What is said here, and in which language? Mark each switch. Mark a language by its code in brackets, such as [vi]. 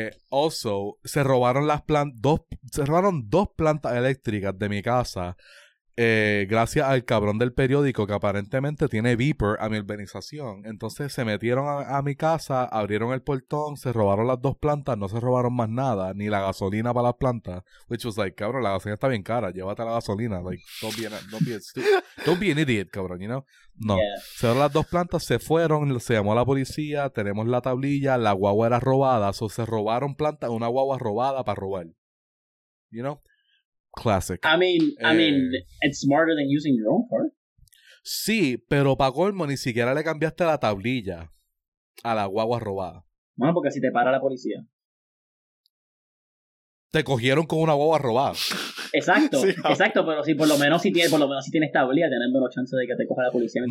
[es] Also, se robaron dos plantas eléctricas de mi casa gracias al cabrón del periódico que aparentemente tiene beeper a mi urbanización. Entonces se metieron a mi casa, abrieron el portón, se robaron las dos plantas, no se robaron más nada, ni la gasolina para las plantas. [en] Which was like, [es] cabrón, la gasolina está bien cara, llévate la gasolina. [en] Like, don't be an idiot, cabrón, you know? No. Yeah. [es] Se robaron las dos plantas, se fueron, se llamó a la policía, tenemos la tablilla, la guagua era robada. O so, se robaron plantas, una guagua robada para robar. [en] You know? Classic. I mean, it's smarter than using your own car. [es] Sí, pero pa' colmo ni siquiera le cambiaste la tablilla a la guagua robada. Bueno, porque si te para la policía. Te cogieron con una guagua robada. Exacto, sí, exacto, pero si por lo menos si tienes tablilla, teniendo la chance de que te coja la policía.